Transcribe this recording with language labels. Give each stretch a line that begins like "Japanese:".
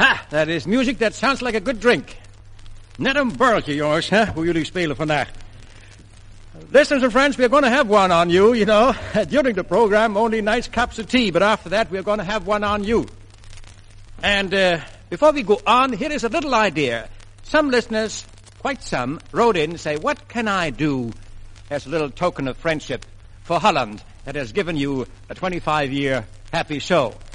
English: That is music that sounds like a good drink.
Dutch: Net een burltje, jongens, hè? Hoe jullie spelen vandaag.
English: Listeners and friends, we are going to have one on you, you know. During the program, only nice cups of tea, but after that, we are going to have one on you. And before we go on, here is a little idea. Some listeners, quite some, wrote in and say, what can I do as a little token of friendship for Holland that has given you a 25-year happy show?